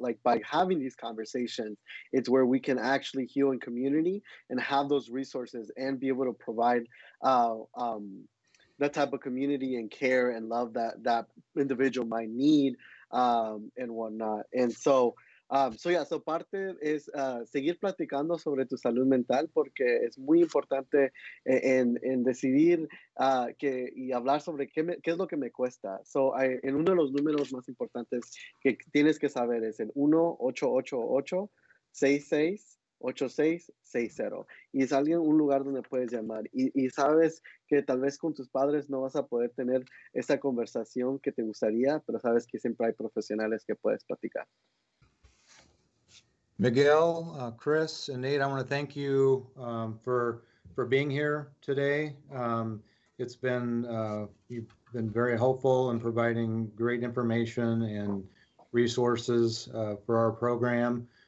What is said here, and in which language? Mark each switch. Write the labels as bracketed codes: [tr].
[en] Like, by having these conversations, it's where we can actually heal in community and have those resources and be able to provide that type of community and care and love that individual might need and whatnot. And so [es] So parte es seguir platicando sobre tu salud mental porque es muy importante en decidir que y hablar sobre qué es lo que me cuesta. So en uno de los números más importantes que tienes que saber es el 1-888-66-8660 y es alguien un lugar donde puedes llamar y sabes que tal vez con tus padres no vas a poder tener esa conversación que te gustaría, pero sabes que siempre hay profesionales que puedes platicar. [en] Miguel, Chris, and Nate, I want to thank you for being here today. It's been, you've been very helpful in providing great information and resources for our program.